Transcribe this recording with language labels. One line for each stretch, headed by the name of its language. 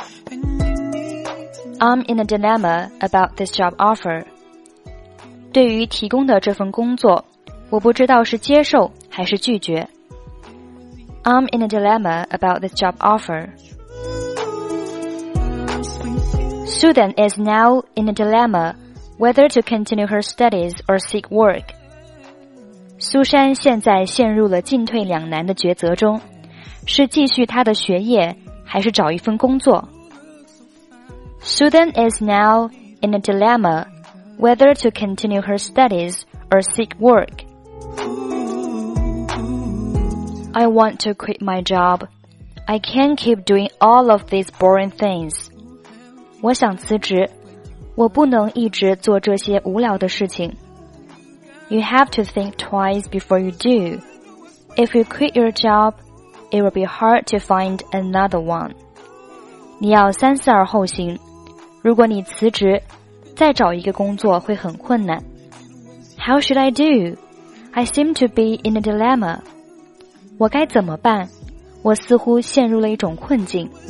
English: I'm in a dilemma about this job offer.
Chinese: 对于提供的这份工作，我不知道是接受还是拒绝。
English: I'm in a dilemma about this job offer. Susan is now in a dilemma whether to continue her studies or seek work.
Chinese: Susan 现在陷入了进退两难的抉择中，是继续她的学业还是找一份工作。
English: Susan is now in a dilemma whether to continue her studies or seek work. I want to quit my job. I can't keep doing all of these boring things.
Chinese: 我想辞职，我不能一直做这些无聊的事情。
English: You have to think twice before you do. If you quit your job, it will be hard to find another one.
Chinese: 你要三思而后行，如果你辞职，再找一个工作会很困难。
English: How should I do? I seem to be in a dilemma.
Chinese: 我该怎么办？我似乎陷入了一种困境。